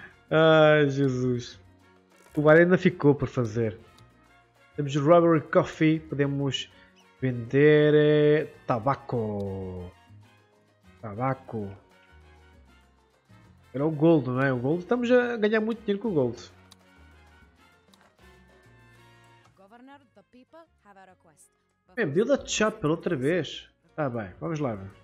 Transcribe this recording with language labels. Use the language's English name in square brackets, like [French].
[Portuguese] Ai, Jesus. O bar ainda ficou por fazer. Temos rubber coffee. Podemos vender tabaco. Tabaco. Era o gold, não é? O gold. Estamos a ganhar muito dinheiro com o gold. [English] Governor, the people have a request. [Portuguese] Bem, [English] build a chapel [Portuguese] outra vez. Tá bem, vamos lá.